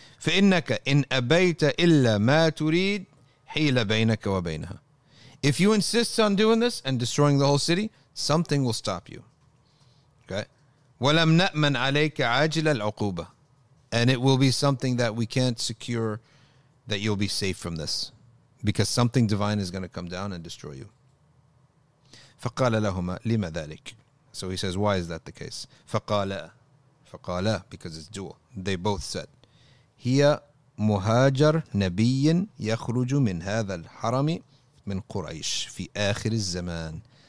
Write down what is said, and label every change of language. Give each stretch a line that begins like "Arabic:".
Arabic: فإنك إن أبيت إلا ما تريد حيل بينك وبينها.
English: If you insist on doing this and destroying the whole city, something will stop you. Okay.
Arabic: ولم نأمن عليك عاجل العقوبة.
English: And it will be something that we can't secure, that you'll be safe from this, because something divine is going to come down and destroy you.
Arabic: فقال لهما لما ذلك.
English: So he says, why is that the case?
Arabic: فقال فَقَالَ,
English: because it's dual. They both said,
Arabic: هِيَ مُهَاجَرْ نَبِيٍ يَخْرُجُ مِنْ هَذَا الْحَرَمِ مِنْ قُرَيْشِ فِي آخِرِ الزَّمَانِ.